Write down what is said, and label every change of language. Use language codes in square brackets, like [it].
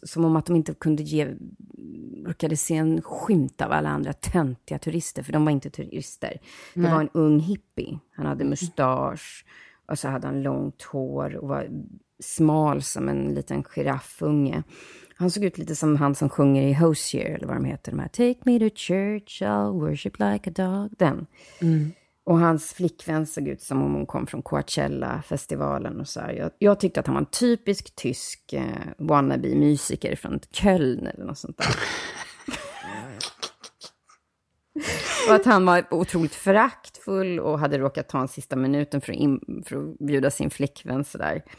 [sv] Som om att de inte kunde brukade se en skymt av alla andra töntiga turister. För de var inte turister. Nej. Det var en ung hippie. Han hade mustasch. Och så hade han långt hår och var smal som en liten giraffunge. Han såg ut lite som han som sjunger i Hosier, eller vad de heter. De här, [en] take me to church, I'll worship like a dog. [sv] Den. Mm. Och hans flickvän såg ut som om hon kom från Coachella-festivalen. Och så här. Jag tyckte att han var en typisk tysk wannabe-musiker från Köln eller något sånt där. Och att han var otroligt föraktfull och hade råkat ta en sista minuten för att bjuda sin flickvän sådär.